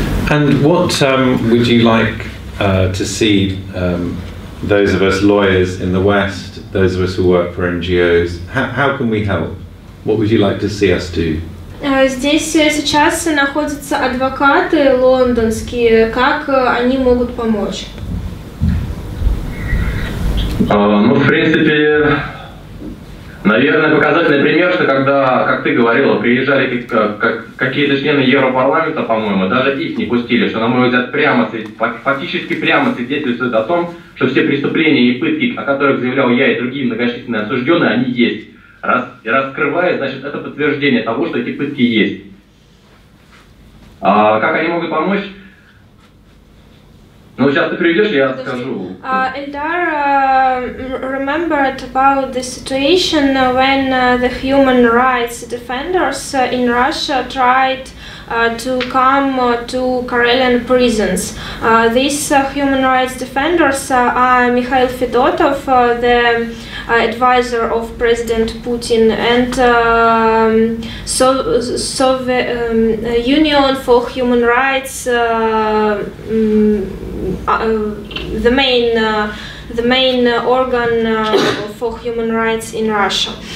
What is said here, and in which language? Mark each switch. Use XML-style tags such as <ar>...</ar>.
<en>And what would you like to see those of us lawyers in the West, those of us who work for NGOs, how can we help? What would you like to see us do?</en> <ru>Здесь сейчас находятся адвокаты лондонские. Как они могут помочь? Ну, в принципе, наверное, показательный пример, что когда, как ты говорила, приезжали какие-то члены Европарламента, по-моему, даже их не пустили, что, на мой взгляд, прямо, фактически прямо свидетельствует о том, что все преступления и пытки, о которых заявлял я и другие многочисленные осужденные, они есть. Раскрывает, значит, это подтверждение того, что эти пытки есть. А как они могут помочь? Ну, сейчас ты приведешь, я скажу.</ru> <en>Ildar remembered about the situation when the human rights defenders in Russia tried to come to Karelian prisons. These human rights defenders are Mikhail Fedotov, the advisor of President Putin, and Union for Human Rights, the main organ for human rights in Russia.</en>